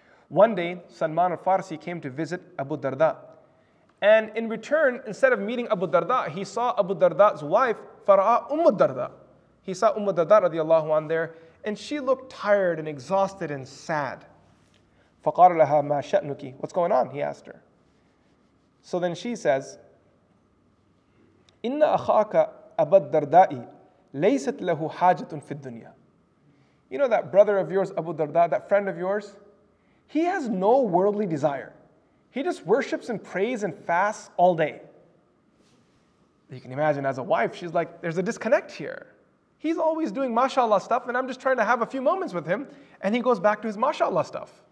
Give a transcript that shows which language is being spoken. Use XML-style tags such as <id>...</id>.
<en>One day, Salman al-Farsi came to visit Abu Darda. And in return, instead of meeting Abu Darda, he saw Abu Darda's wife, Fara'a Ummu Darda. He saw Ummu Darda radiallahu anhu there, and she looked tired and exhausted and sad.</en> <ar>فَقَالَ لَهَا مَا شَأْنُكِ.</ar> <en>What's going on? He asked her.</en> <ar>So then she says, إِنَّ أَخَاكَ أَبَا الدَّرْدَاءِ لَيْسَتْ لَهُ حَاجَةٌ فِي الدُّنْيَا.</ar> <en>You know that brother of yours, Abu Darda, that friend of yours? He has no worldly desire. He just worships and prays and fasts all day. You can imagine as a wife, she's like, there's a disconnect here. He's always doing mashallah stuff and I'm just trying to have a few moments with him and he goes back to his mashallah stuff.</en>